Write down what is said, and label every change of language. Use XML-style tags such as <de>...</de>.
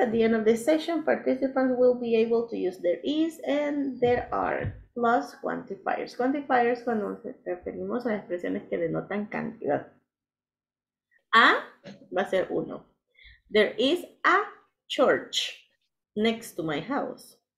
<en>At the end of the session, participants will be able to use there is and there are plus quantifiers.</en> <es>Quantifiers cuando nos referimos a expresiones que denotan cantidad. A va a ser uno.</es> <en>There is a church next to my house.</en>